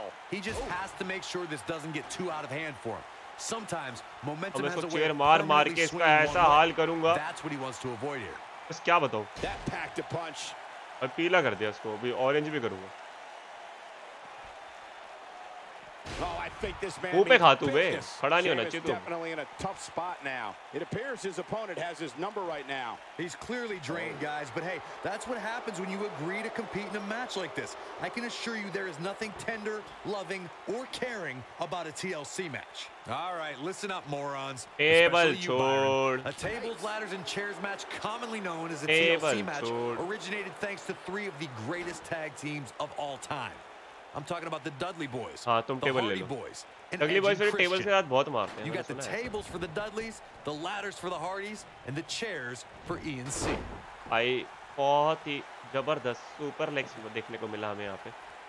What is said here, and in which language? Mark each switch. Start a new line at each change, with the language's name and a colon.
English: He just has to make sure this doesn't get too out of hand for him. Sometimes momentum has a way of
Hindi: chair मार मार के इसका ऐसा हाल करूंगा।
English: That's what he wants to avoid here.
Hindi: बस क्या बताऊं?
English: That packed a punch.
Hindi: अब पीला कर दिया इसको, अभी ऑरेंज भी करूंगा।
English: Oh, I think this man.
Hindi: ऊपर खा तू बे, खड़ा नहीं होना चाहिए तू।
English: Definitely in a tough spot now. It appears his opponent has his number right now. He's clearly drained, guys, but hey, that's what happens when you agree to compete in a match like this. I can assure you there is nothing tender, loving or caring about a TLC match. All right, listen up, morons. Table chord. A tables, ladders and chairs match commonly known as a TLC match originated thanks to three of the greatest tag teams of all time. I'm talking about the Dudley boys.
Hindi: हाँ तुम table ले लो। Dudley boys फिर table से हाथ बहुत मारते हैं।
English: You got the tables for the Dudleys, the ladders for the Hardys, and the chairs for ENC.
Hindi: भाई बहुत ही जबरदस्त सुपर लेग्स देखने को मिला हमें यहाँ पे।